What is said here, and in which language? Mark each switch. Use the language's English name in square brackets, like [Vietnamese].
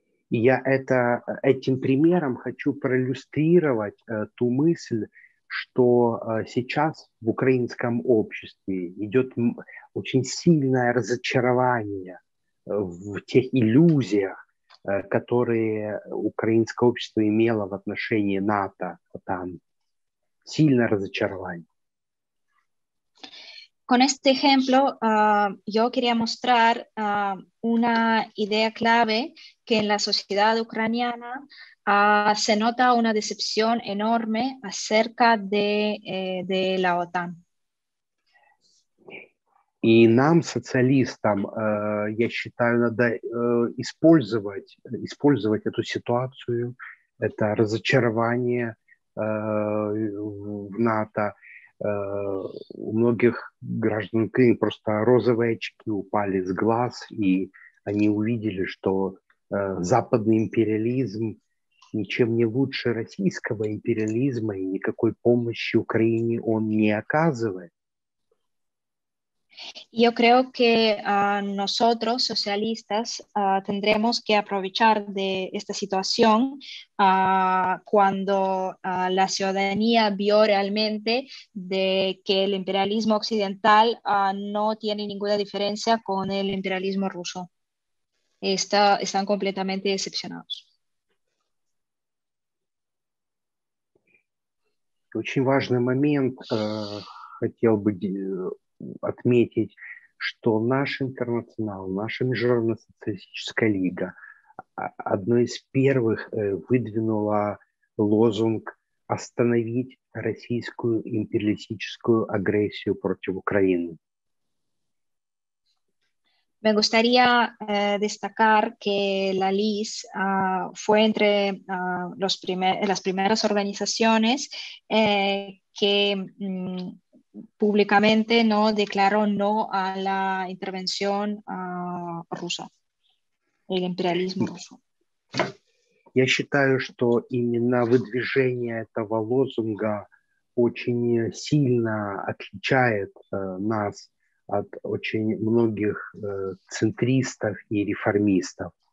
[Russian] Я этим примером хочу проиллюстрировать ту мысль, что сейчас в украинском обществе идет очень сильное разочарование в тех иллюзиях, которые украинское общество имело в отношении НАТО, там сильно разочарование. [Spanish] Con este ejemplo, yo quería mostrar una idea clave que en la sociedad ucraniana se nota una decepción enorme acerca de la OTAN. [Russian] И нам, социалистам, я считаю, надо использовать эту ситуацию, это разочарование в НАТО. У многих граждан Украины просто розовые очки упали с глаз, и они увидели, что западный империализм ничем не лучше российского империализма, и никакой помощи Украине он не оказывает. [Spanish] Yo creo que nosotros, socialistas, tendremos que aprovechar de esta situación cuando la ciudadanía vio realmente de que el imperialismo occidental no tiene ninguna diferencia con el imperialismo ruso. Están completamente decepcionados. [Russian] Очень важный момент хотел бы отметить, что наш интернационал, наша Международная социалистическая лига одной из первых выдвинула лозунг «Остановить российскую империалистическую агрессию против Украины». [Spanish] Me gustaría destacar que la LIS fue entre las primeras organizaciones que públicamente no declaró no a la intervención rusa, el imperialismo ruso. [Russian] Я считаю, что именно выдвижение этого лозунга очень сильно отличает нас от очень многих центристов и реформистов.